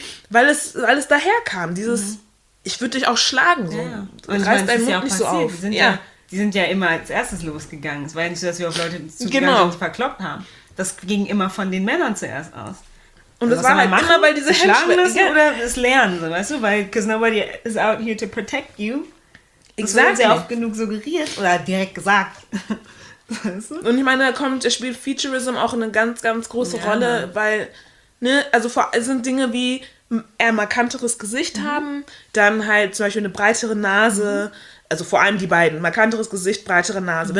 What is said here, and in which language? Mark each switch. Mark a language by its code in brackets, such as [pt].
[de] Weil es alles daherkam, dieses, ich würde dich auch schlagen. So. Ja. Und reißt deinen Mund nicht so auf. Die sind ja immer als erstes losgegangen. Es war ja nicht so, dass wir auf Leute zugegangen sind, die verkloppt haben. Das ging immer von den Männern zuerst aus. Und das war halt immer, weil diese Schlagen müssen oder es lernen, so, weißt du? [en] Weil, because nobody is out here to protect you. [de] Das wurde sehr oft genug suggeriert oder direkt gesagt. Weißt du? Und ich meine, da kommt, da spielt Featurism auch eine ganz, ganz große Rolle, weil, ne, also vor allem sind Dinge wie eher markanteres Gesicht haben, dann halt zum Beispiel eine breitere Nase, also vor allem die beiden, markanteres Gesicht, breitere Nase.